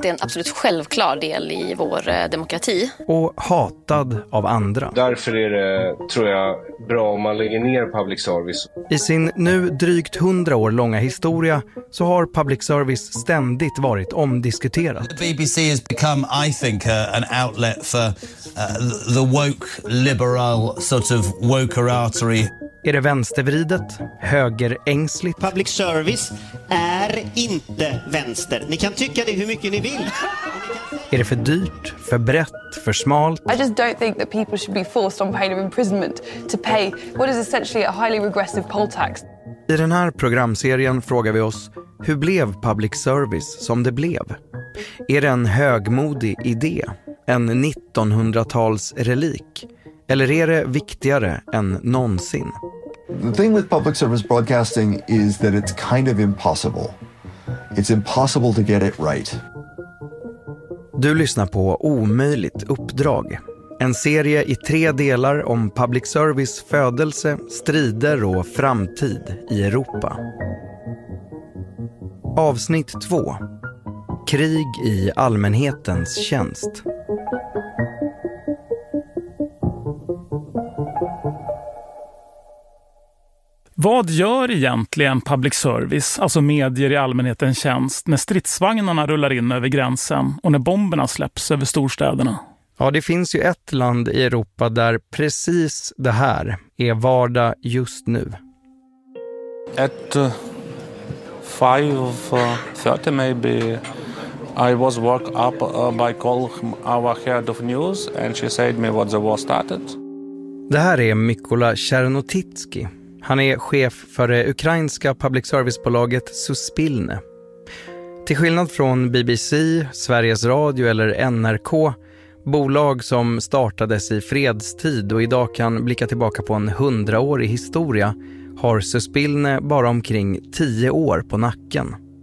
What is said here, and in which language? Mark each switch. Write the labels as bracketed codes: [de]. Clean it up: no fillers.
[sv] Det är en absolut självklar del i vår demokrati. Och hatad av andra. Därför är det, tror jag, bra om man lägger ner public service. I sin nu drygt 100 år långa historia så har public service ständigt varit omdiskuterad. [en] The BBC has become, I think, an outlet for the woke liberal sort of woker artery. [sv] Är det vänstervridet? Högerängsligt? Public service är inte vänster. Ni kan tycka det hur mycket ni vill. Är det för dyrt, för brett, för smalt? [en] I just don't think that people should be forced on pain of imprisonment to pay what is essentially a highly regressive poll tax. [sv] I den här programserien frågar vi oss, hur blev public service som det blev? Är det en högmodig idé? En 1900-tals relik? Eller är det viktigare än någonsin? [en] The thing with public service broadcasting is that it's kind of impossible. It's impossible to get it right. [sv] Du lyssnar på Omöjligt uppdrag. En serie i tre delar om public service födelse, strider och framtid i Europa. Avsnitt 2. Krig i allmänhetens tjänst. Vad gör egentligen public service, alltså medier i allmänhetens tjänst, när stridsvagnarna rullar in över gränsen och när bomberna släpps över storstäderna? Ja, det finns ju ett land i Europa där precis det här är vardag just nu. [en] At 5:30 maybe I was woke up by calling our head of news and she said me what the war started. [sv] Det här är Mykola Chernotitsky. Han är chef för det ukrainska public service-bolaget Suspilne. Till skillnad från BBC, Sveriges Radio eller NRK Bolag som startades i fredstid och idag kan blicka tillbaka på en 100-årig historia har Suspilne bara omkring 10 år på nacken.